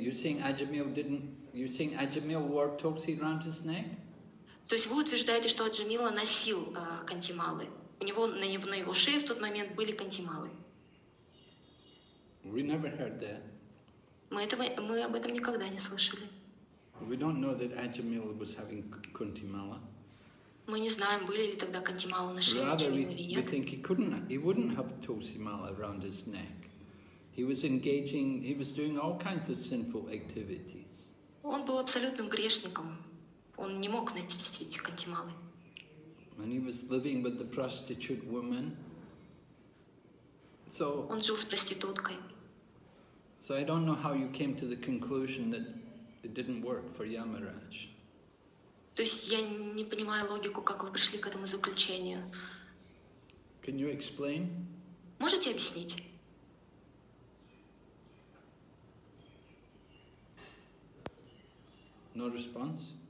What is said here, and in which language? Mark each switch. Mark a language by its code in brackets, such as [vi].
[en] You think Аджамил wore tulsi around his neck? [ru] То есть вы утверждаете, что Аджамила носил кантималы. На его шее в тот момент были кантималы. [en] We never heard that. [ru] Мы об этом никогда не слышали. [en] We don't know that Аджамил was having кантимала. [ru] Мы не знаем, были ли тогда кантималы на шее или нет. [en] We think he wouldn't have tulsi mala around his neck. He was doing all kinds of sinful activities. [ru] Он был абсолютным грешником. Он не мог носить кантималы. [en] And he was living with the prostitute woman. So. [ru] Он жил с проституткой. [en] So I don't know how you came to the conclusion that it didn't work for Yamaraj. [ru] То есть я не понимаю логику, как вы пришли к этому заключению. [en] Can you explain? [ru] Можете объяснить? [en] No response.